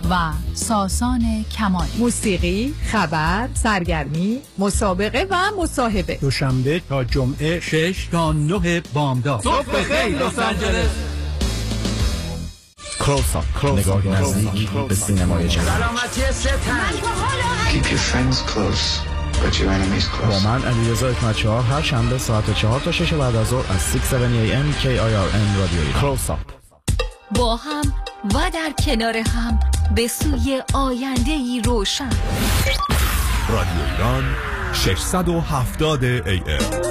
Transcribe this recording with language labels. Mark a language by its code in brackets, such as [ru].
[fa] و ساسان کمالی. موسیقی، خبر، سرگرمی، مسابقه و مصاحبه. دوشنبه تا جمعه 6 تا 9 بامداد. صبح بخیر لس آنجلس. [en] Close up. [fa] نگاه نزدیک به سینمای جهان. سلامتی ستن. [en] Keep your friends close, but your enemies close. [fa] با من علیرضا حکمت‌چهار هر شنبه ساعت 4 تا 6 بعد از ظهر از 670 AM KIRN رادیو ایران. [en] Close up. [fa] با هم و در کنار هم به سوی آینده ای روشن. رادیو ایران 670 AM.